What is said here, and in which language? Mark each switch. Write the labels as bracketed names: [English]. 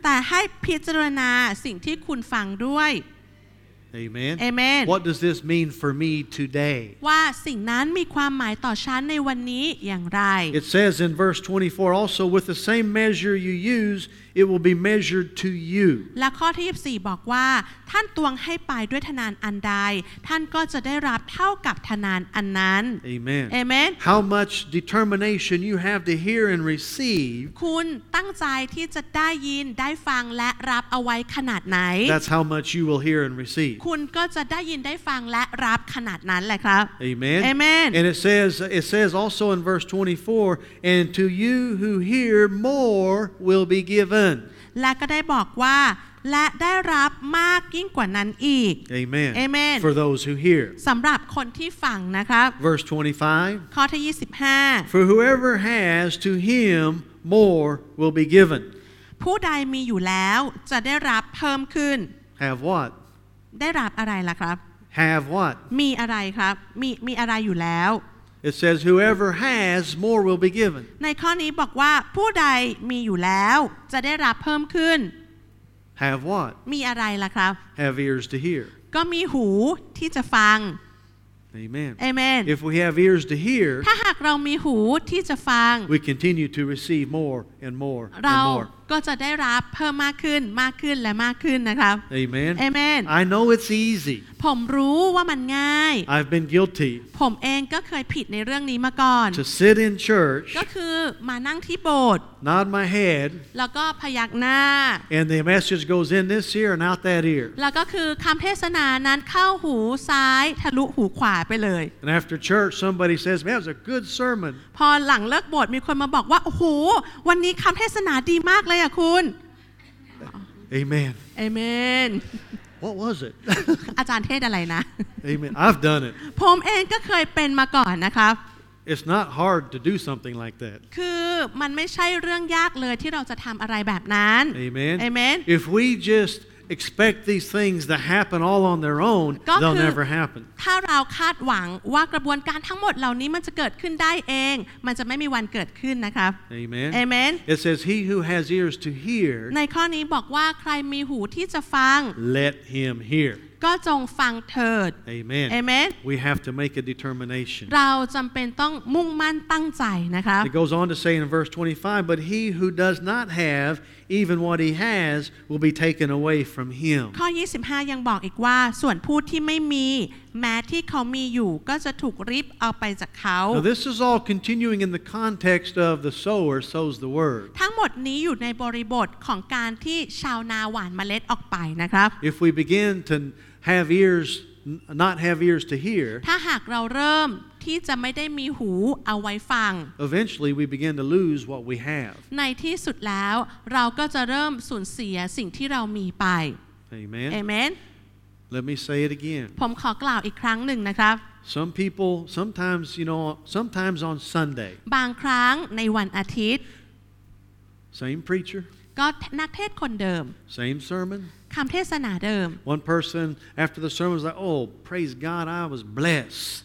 [Thai] แต่ให้พิจารณาสิ่งที่คุณฟังด้วย [English] Amen. Amen. What does this mean for me today? [Thai] ว่าสิ่งนั้นมีความหมายต่อฉันในวันนี้อย่างไร [English] It says in verse 24 also with the same measure you use it will be measured to you. [Thai] และข้อที่24บอกว่าท่านตวงให้ไปด้วยทนานอันใดท่านก็จะได้รับเท่ากับทนานอันนั้น [English] Amen. Amen. How much determination you have to hear and receive? [Thai] คุณตั้งใจที่จะได้ยินได้ฟังและรับเอาไว้ขนาดไหน [English] That's how much you will hear and receive [Thai] คุณก็จะได้ยินได้ฟังและรับขนาดนั้นแหละครับ [English] Amen Amen And it says also in verse 24 and to you who hear more will be given [Thai] และก็ได้บอกว่าและได้รับมากยิ่งกว่านั้นอีก [English] Amen Amen For those who hear [Thai] สำหรับคนที่ฟังนะครับ [English] Verse 25 [Thai] ข้อที่25 [English] For whoever has to him more will be given [Thai] ผู้ใดมีอยู่แล้วจะได้รับเพิ่มขึ้น [English] Have what [Thai] ได้รับอะไรล่ะครับ [English] Have what [Thai] มีอะไรครับมีอะไรอยู่แล้ว [English] It says whoever has more will be given [Thai] ในข้อนี้บอกว่าผู้ใดมีอยู่แล้วจะได้รับเพิ่มขึ้น [English] Have what [Thai] มีอะไรล่ะครับ [English] Have ears to hear [Thai] ก็มีหูที่จะฟัง [English] Amen. Amen. If we have ears to hear, [Thai] ถ้าหากเรามีหูที่จะฟัง [English] we continue to receive more and more and more. [Thai] เราก็จะได้รับเพิ่มมากขึ้นมากขึ้นและมากขึ้นนะครับ [English] Amen. Amen. I know it's easy. [Thai] ผมรู้ว่ามันง่าย [English] I've been guilty. [Thai] ผมเองก็เคยผิดในเรื่องนี้มาก่อน [English] To sit in church. [Thai] ก็คือมานั่งที่โบสถ์ [English] Nod my head. [Thai] แล้วก็พยักหน้า [English] And the message goes in this ear and out that ear. [Thai] แล้วก็คือคำเทศนานั้นเข้าหูซ้ายทะลุหูขวา [English] And after church, somebody says, "Man, it was a good sermon." [Thai] พอหลังเลิกบทมีคนมาบอกว่าโอ้โหวันนี้คำเทศนาดีมากเลยอ่ะคุณ [English] Amen. Amen. What was it? [Thai] อาจารย์เทศอะไรนะ [English] Amen. I've done it. [Thai] ผมเองก็เคยเป็นมาก่อนนะคะ [English] It's not hard to do something like that. [Thai] คือมันไม่ใช่เรื่องยากเลยที่เราจะทำอะไรแบบนั้น [English] Amen. Amen. If we justExpect these things to happen all on their own, they'll never happen. [Thai] ถ้าเราคาดหวังว่ากระบวนการทั้งหมดเหล่านี้มันจะเกิดขึ้นได้เองมันจะไม่มีวันเกิดขึ้นนะครับ [English] Amen. Amen. It says, "He who has ears to hear." [Thai] ในข้อนี้บอกว่าใครมีหูที่จะฟัง [English] Let him hear. [Thai] ก็จงฟังเถิด [English] Amen. Amen. We have to make a determination. [Thai] เราจำเป็นต้องมุ่งมั่นตั้งใจนะครับ [English] It goes on to say in verse 25, "But he who does not have." Even what he has will be taken away from him. [Thai] ข้อ25ยังบอกอีกว่าส่วนผู้ที่ไม่มีแม้ที่เขามีอยู่ก็จะถูกริบเอาไปจากเขา [English] Now this is all continuing in the context of the sower sows the word. [Thai] ทั้งหมดนี้อยู่ในบริบทของการที่ชาวนาหว่านเมล็ดออกไปนะครับ [English] If we begin to have ears, not have ears to hear. [Thai] ถ้าหากเราเริ่มที่จะไม่ได้มีหูเอาไว้ฟัง [English] Eventually we begin to lose what we have [Thai] ในที่สุดแล้วเราก็จะเริ่มสูญเสียสิ่งที่เรามีไป [English] Amen Amen Let me say it again [Thai] ผมขอกล่าวอีกครั้งหนึ่งนะครับ [English] Some people sometimes you know sometimes on Sunday [Thai] บางครั้งในวันอาทิตย์ [English] Same preacher [Thai] ก็นักเทศน์คนเดิม [English] Same sermon [Thai] คำเทศนาเดิม [English] One person after the sermon was like, "Oh, praise God, I was blessed."